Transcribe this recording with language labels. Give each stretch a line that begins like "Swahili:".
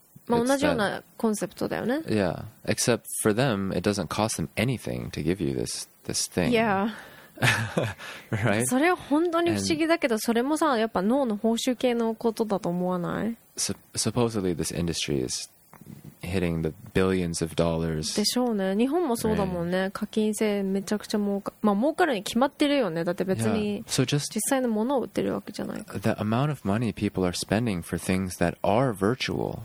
Japanese: まあ、同じようなコンセプトだよね。
English: Yeah. Except for them, it doesn't cost them anything to give you this thing. Yeah. right?
Japanese: それは本当に不思議だけど、それもさ、やっぱ脳の報酬系のことだと思わない?
English: Supposedly, this industry is hitting the billions of dollars.
Japanese: でしょうね。日本もそうだもんね。課金制めちゃくちゃ儲か、まあ儲かるに決まってるよね。だって別に、実際のものを売ってるわけじゃないか。
English: The amount of money people are spending for things that are virtual,